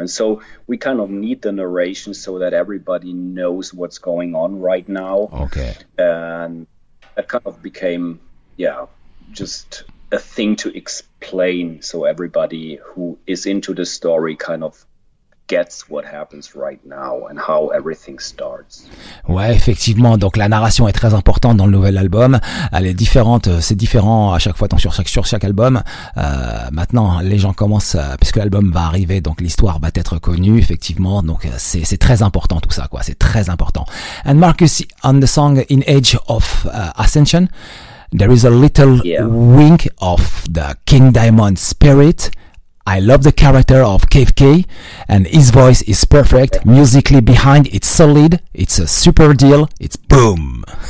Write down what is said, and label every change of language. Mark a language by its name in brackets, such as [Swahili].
[English] And so we kind of need the narration so that everybody knows what's going on right now. Okay. And that kind of became, just a thing to explain so everybody who is into the story kind of gets what happens right now and how everything starts. [French] Ouais, effectivement, donc la narration est très importante dans le nouvel album. Elle est différente, c'est différent à chaque fois, donc sur chaque album. Maintenant, les gens commencent, puisque l'album va arriver, donc l'histoire va être connue, effectivement. Donc c'est très important tout ça, quoi. C'est très important. [English] And Marcus, on the song In Age of Ascension, there is a little wink of the King Diamond spirit. I love the character of KFK, and his voice is perfect. Musically behind, it's solid. It's a super deal. It's boom.